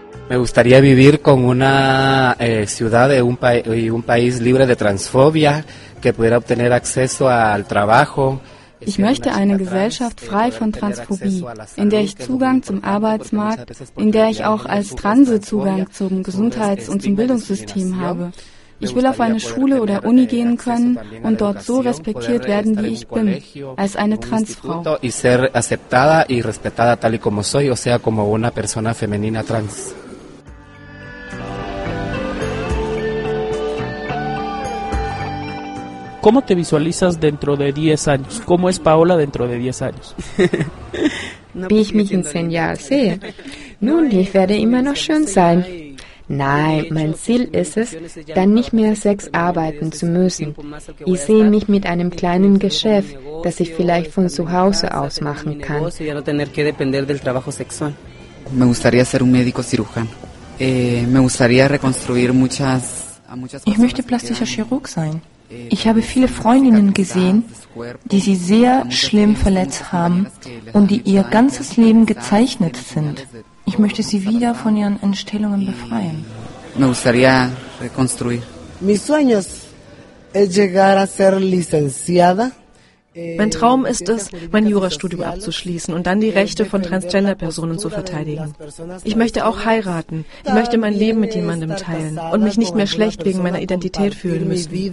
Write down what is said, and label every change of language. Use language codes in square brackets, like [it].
[es] Me gustaría vivir con una ciudad de un país libre de transfobia que pudiera obtener acceso al trabajo. [de] Ich möchte eine Gesellschaft frei von Transphobie, in der ich Zugang zum Arbeitsmarkt, in der ich auch als Transe Zugang zum Gesundheits- und zum Bildungssystem habe. Ich will auf eine Schule oder Uni gehen können und dort so respektiert werden, wie ich bin, als eine Transfrau. [es] Y ser aceptada y respetada tal y como soy, o sea, como una persona femenina trans. ¿Cómo te visualizas dentro de 10 años? ¿Cómo es Paola dentro de 10 años? [de] Wie ich mich in 10 Jahren sehe. Nun, ich werde immer noch schön sein. Nein, mein Ziel ist es, dann nicht mehr 6 arbeiten zu müssen. Ich sehe mich mit einem kleinen Geschäft, das ich vielleicht von zu Hause aus machen kann. [es] Me gustaría ser un médico cirujano. Me gustaría reconstruir muchas. [de] Ich möchte plastischer Chirurg sein. Ich habe viele Freundinnen gesehen, die sie sehr schlimm verletzt haben und die ihr ganzes Leben gezeichnet sind. Ich möchte sie wieder von ihren Entstellungen befreien. [es] Me gustaría reconstruir. Mis sueños es llegar a ser licenciada. [de] Mein Traum ist es, mein Jurastudium abzuschließen und dann die Rechte von Transgender-Personen zu verteidigen. Ich möchte auch heiraten. Ich möchte mein Leben mit jemandem teilen und mich nicht mehr schlecht wegen meiner Identität fühlen müssen.